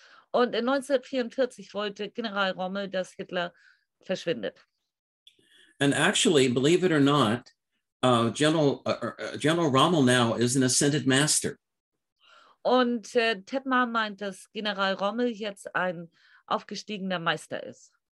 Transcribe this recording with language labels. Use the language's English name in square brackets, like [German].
[German] Und in 1944 wollte General Rommel, dass Hitler verschwindet. [English] And actually, believe it or not, General Rommel now is an ascended master. [German] Und Ted Mahr meint, dass General Rommel jetzt ein aufgestiegener Meister ist.